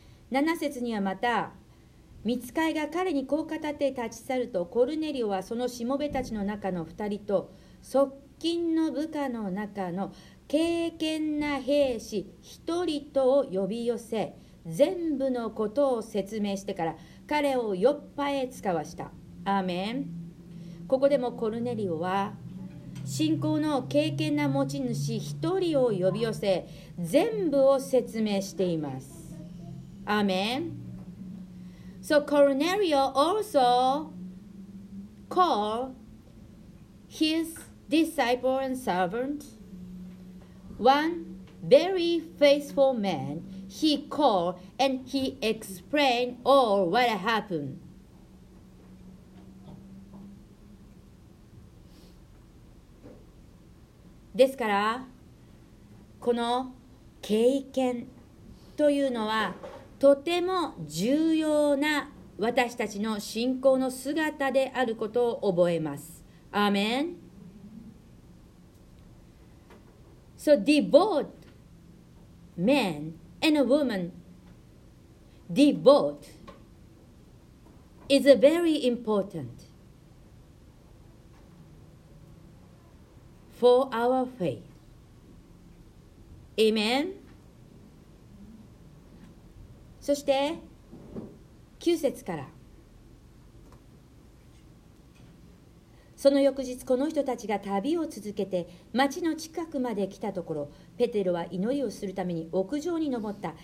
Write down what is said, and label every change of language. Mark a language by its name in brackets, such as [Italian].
[Japanese] 7節にはまた御使いが彼にこう語って立ち去ると、コルネリオはそのしもべたちの中の2人と側近の部下の中の敬虔な兵士1人とを呼び寄せ、全部のことを説明してから彼をヨッパへ使わした。アーメン。ここでもコルネリオは信仰の敬虔な持ち主1人を呼び寄せ、全部を説明しています。アーメン。 [English] So Cornelio also called hisDisciple and servant, one very faithful man, he called and he explained all what happened. [Japanese] ですから、この経験というのはとても重要な私たちの信仰の姿であることを覚えます。アーメン。 [English] So devote men and women, devote is very important for our faith. Amen. [Japanese] そして9節から、その翌日この人たちが旅を続けて町の近くまで来たところ、ペテロは祈りをするために屋上に登った。